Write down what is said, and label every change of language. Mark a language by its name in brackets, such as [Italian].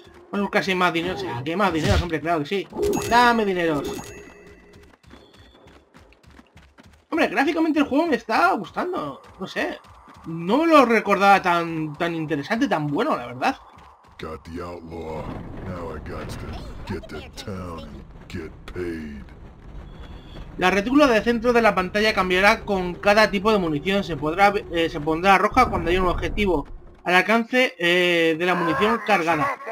[Spanish] Vamos a buscar si hay más dinero. O sea, que hay más dinero, hombre, claro que sí. Dame dineros. Hombre, gráficamente el juego me está gustando. No sé. No me lo recordaba tan interesante, tan bueno, la verdad. [English] Got the outlaw. Now I got to get to town and get paid. [Spanish] La retícula del centro de la pantalla cambiará con cada tipo de munición. Se pondrá roja cuando hay un objetivo al alcance de la munición cargada.